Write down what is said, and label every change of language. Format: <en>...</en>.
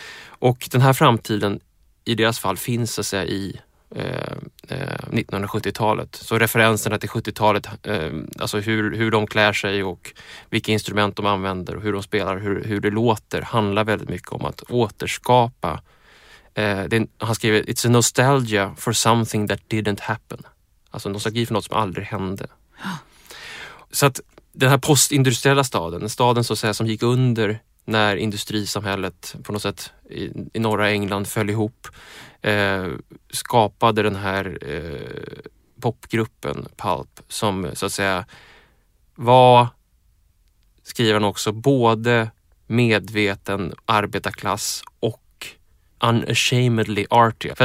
<sv>Och den här framtiden i deras fall finns, så att säga, i 1970-talet. Så referenserna till 70-talet, alltså hur de klär sig och vilka instrument de använder och hur de spelar, hur det låter, handlar väldigt mycket om att återskapa. Han skriver,</sv> <en>it's a nostalgia for something that didn't happen.</en> <sv>Alltså nostalgi för något som aldrig hände. Så att den här postindustriella staden, staden så att säga, som gick under när industrisamhället på något sätt i norra England föll ihop, skapade den här popgruppen Pulp, som så att säga var, skriver han också, både medveten arbetarklass och</sv> <en>unashamedly arty.</en>